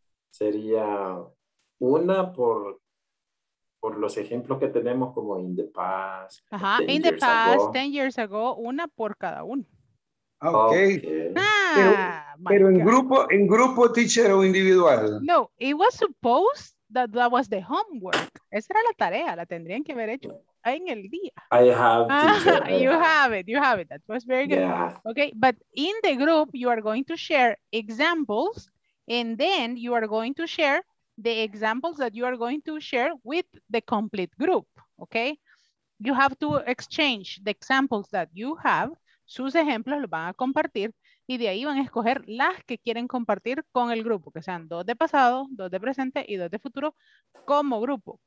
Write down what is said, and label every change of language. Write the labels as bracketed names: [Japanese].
[Spanish] Sería una por los ejemplos que tenemos como [English] in the past. Ajá. In the past, 10 years ago, [Spanish] una por cada uno. Okay. Okay. Pero en grupo, teacher, o individual. [English] No, it was supposed that was the homework. [Spanish] Esa era la tarea, la tendrían que haber hecho en el día. [English] You have it. That was very good. Yeah. Okay, but in the group, you are going to share examples, and then you are going to share the examples that you are going to share with the complete group, okay? You have to exchange the examples that you have, [Spanish] sus ejemplos los van a compartir, y de ahí van a escoger las que quieren compartir con el grupo, que sean dos de pasado, dos de presente y dos de futuro, como grupo.